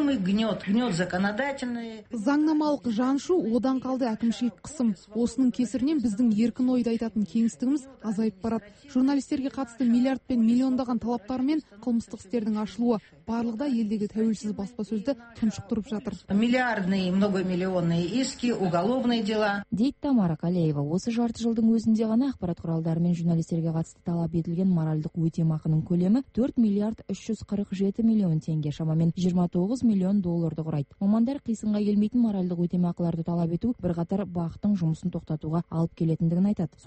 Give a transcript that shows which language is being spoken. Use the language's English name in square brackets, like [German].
[Russian] Гнет законодательный. [Kazakh] Заңнамалық жаншу одан қалды әкімшілік қысым. Осының кесірінен біздің еркін ойды айтатын кеңістігіміз азайып барады. Журналистерге қатысты миллиард пен миллиондаған талаптармен қылмыстық істердің ашылуы барлығыда елдегі тәуелсіз баспасөзді тұншықтырып жатыр. [Russian] Миллиардные, многомиллионные иски, уголовные дела. [Kazakh] Дейді Тамара Калеева. Осы жарты жылдың өзінде ғана ақпарат құралдары мен журналистерге қатысты талап етілген моральдық өтемақының көлемі 4 миллиард 347 миллион теңге, шамамен 29 миллион долларды құрайды. Мамандар қисынға келмейтін моральдық өтемақыларды талап ету бірқатар бақтың жұмысын тоқтатуға алып келетіндігін айтады.